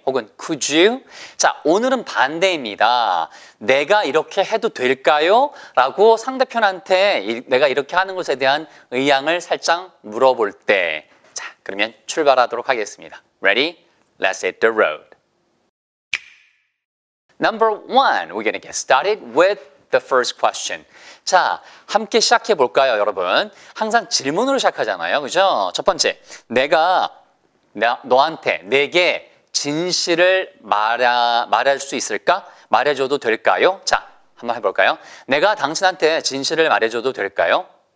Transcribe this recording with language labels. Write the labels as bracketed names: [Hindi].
[Korean] 혹은 [English] Could you? [Korean] 자, 오늘은 반대입니다. 내가 이렇게 해도 될까요? 라고 상대편한테 내가 이렇게 하는 것에 대한 의향을 살짝 물어볼 때. 자, 그러면 출발하도록 하겠습니다. [English] Ready? Let's hit the road. Number one, we're gonna get started with the first question. [Korean] 자, 함께 시작해 볼까요, 여러분? 항상 질문으로 시작하잖아요, 그죠? 첫 번째, 내가 너한테, 내게 진실을 말할 수 있을까? 말해줘도 될까요? 자, 한번 해볼까요? 내가 당신한테 진실을 말해줘도 될까요?